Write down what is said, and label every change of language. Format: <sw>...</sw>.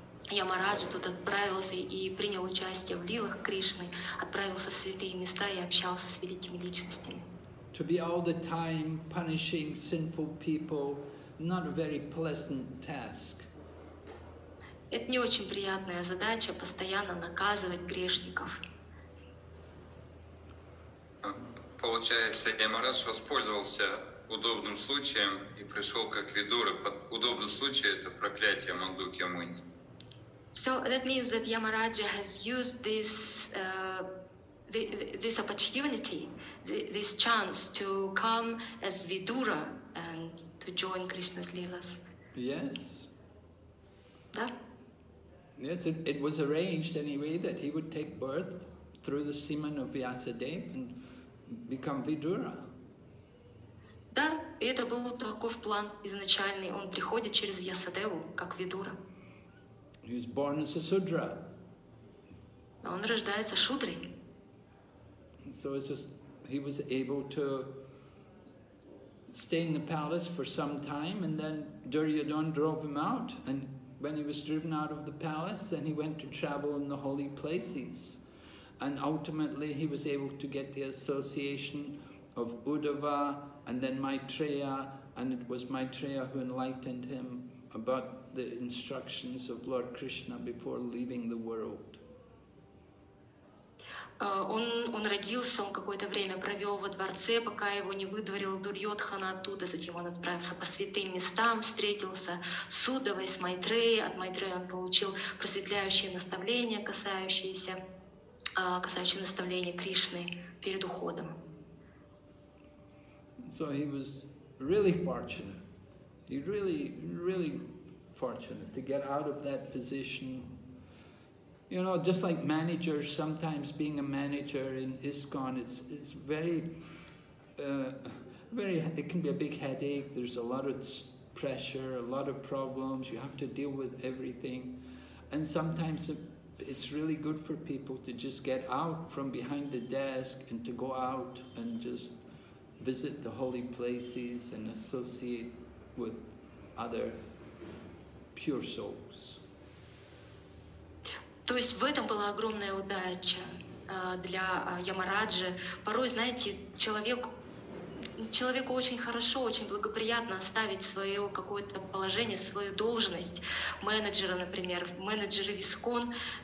<ru>Ямараджа тут отправился и принял участие в лилах Кришны, отправился в святые места и общался с великими личностями.</ru> <en>To be all the time punishing sinful people, not a very pleasant task.</en> <ru>Это не очень приятная задача, постоянно наказывать грешников. Получается, Ямарадж воспользовался удобным случаем и пришел как видура. Под удобным случаем это проклятие Мандукья Муни.</ru> <en>So that means that Ямараджа has used this this opportunity, this chance to come as Vidura and to join Krishna's Leelas. Yes.</en> <ru>Да?</ru> <en>Yes, it was arranged anyway that he would take birth through the semen of Vyasadeva and become Vidura.</en> <ru>Да, это был такой план изначальный. Он приходит через Вьясадеву как Vidura.</ru> <en>He was born as a Sudra.</en> <ru>Он рождается Шудрой.</ru> <en>So it's just he was able to stay in the palace for some time, and then Duryodhan drove him out. And when he was driven out of the palace, then he went to travel in the holy places, and ultimately he was able to get the association of Uddhava and then Maitreya, and it was Maitreya who enlightened him about the instructions of Lord Krishna before leaving the world.</en> <ru>Он родился, он какое-то время провел во дворце, пока его не выдворил Дурьотхана оттуда, затем он отправился по святым местам, встретился с Удавой, с Майтреей. От Майтреи он получил просветляющие наставления, касающие наставления Кришны перед уходом.</ru> <en>So he was really fortunate. He really, really fortunate to get out of that position. You know, just like managers, sometimes being a manager in ISKCON, it's very, very. It can be a big headache. There's a lot of pressure, a lot of problems. You have to deal with everything, and sometimes it's really good for people to just get out from behind the desk and to go out and just visit the holy places and associate with other pure souls.</en> <ru>То есть в этом была огромная удача для Ямараджи. Порой, знаете, человеку очень хорошо, очень благоприятно оставить свое какое-то положение, свою должность менеджера, например, менеджера ВИСКОН.</ru>